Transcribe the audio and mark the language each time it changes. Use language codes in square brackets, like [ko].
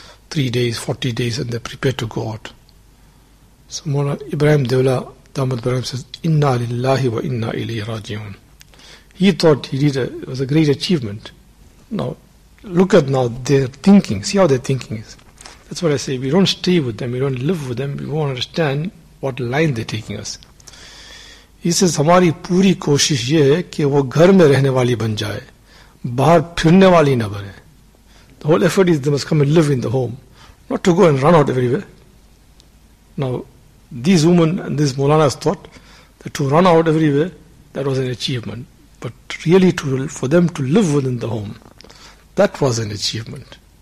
[en] 3 days, 40 days, and they are prepared to go out. So Mawlana Ibrahim Devla, Damat Ibrahim, says, [ar] Inna lillahi wa inna ilayhi raji'un. [en] He thought it was a great achievement. Now, look at now their thinking. See how their thinking is. That's what I say. We don't stay with them. We don't live with them. We won't understand what line they're taking us. He says, [ur] ہماری پوری کوشش یہ ہے کہ وہ گھر میں رہنے والی بن جائے باہر پھرنے والی نہ بنے. [en] The whole effort is they must come and live in the home, not to go and run out everywhere. Now, these women and these Mawlana's thought, that to run out everywhere, that was an achievement. But really for them to live within the home, that was an achievement.